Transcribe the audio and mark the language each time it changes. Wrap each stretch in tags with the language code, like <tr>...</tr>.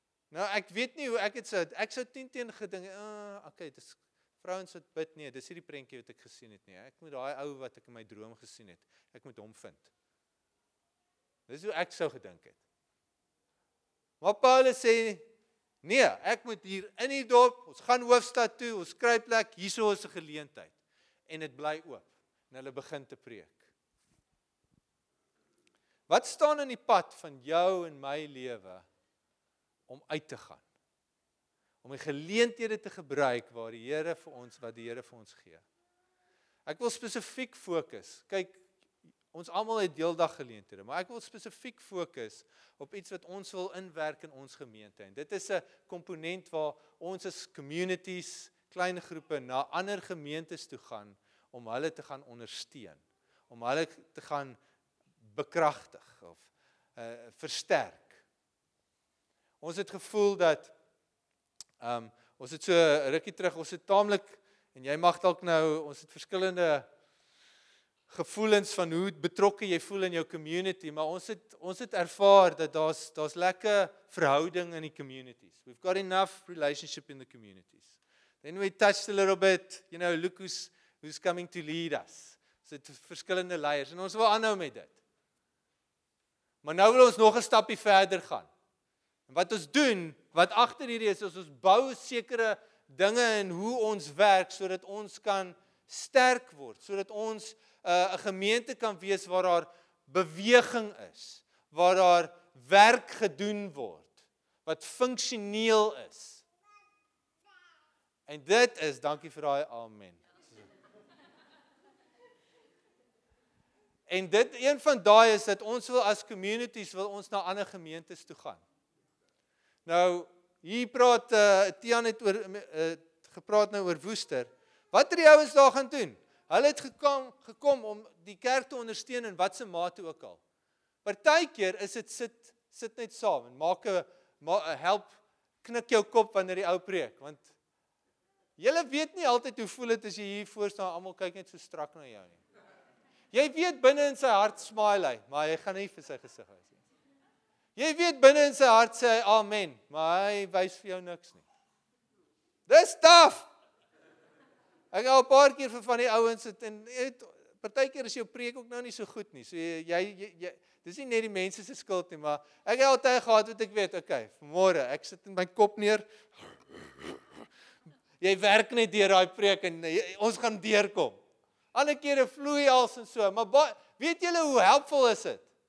<af>nou ek weet nie hoe ek sou 10-10 gedink, dis vrouens wat bid, nee, dis hierdie prentjie wat ek gesien het, nee, ek moet daai ou wat ek in my droom gesien het, ek moet hom vind, dis hoe ek sou gedink het, maar Paulus sê, nee, ek moet hier in die dorp, ons gaan hoofstad toe, ons kry plek, hierso is 'n geleentheid, en het bly oop, en hulle begin te preek. Wat staan in die pad van jou en my lewe, om uit te gaan? Om die geleenthede te gebruik, waar die Here vir ons, wat die Here vir ons gee. Ek wil spesifiek fokus, kyk, ons allemaal het deeldag geleenthede, maar ek wil spesifiek fokus op iets wat ons wil inwerk in ons gemeente, en dit is 'n komponent waar ons as communities, klein groepe, na ander gemeentes toe gaan, om hulle te gaan ondersteun, om hulle te gaan bekragtig, of versterk. Ons het gevoel dat, ons het so rukkie terug, ons het tamelik, en jy mag dalk nou, ons het verskillende gevoelens van hoe betrokke jy voel in jou community, maar ons het ervaar dat daar's lekker verhouding in die communities.</af> <en>We've got enough relationship in the communities. Then we touched a little bit, you know, look who's coming to lead us.</en> <af>So dit is verskillende leiers, en ons wil aanhou met dit. Maar nou wil ons nog 'n stapie verder gaan. En wat ons doen, wat agter hierdie is, is ons bou sekere dinge in hoe ons werk, sodat ons kan sterk word, sodat ons 'n gemeente kan wees waar daar beweging is, waar daar werk gedoen word, wat funksioneel is. En dit is, dankie vir daai amen. En dit, een van daai is, dat ons wil as communities, wil ons na ander gemeentes toe gaan. Nou, hier praat, Tian het gepraat nou oor Woester, wat die ouens daar gaan doen? Hulle het gekom om die kerk te ondersteun in watse mate ook al. Partykeer is het sit net saam en help knik jou kop wanneer die ou preek, want jylle weet nie altyd hoe voel het as jy hier voor staan, allemaal kyk net so strak na jou nie. Jy weet binnen in sy hart smile hy, maar hy gaan nie vir sy gesig wys nie. Jy weet binnen in sy hart sê hy amen, maar hy wys vir jou niks nie. Dis taf! Ek al 'n paar keer vir van die ouens het en het, partykeer is jou preek ook nou nie so goed nie. So jy dis nie net die mense se skuld nie, maar ek het altyd gehad wat ek weet, okay, vanmôre, ek sit in my kop neer. Jy werk net deur daai preek en ons gaan deurkom. Alle kere vloei als en so, maar weet julle hoe helpful is dit?</af>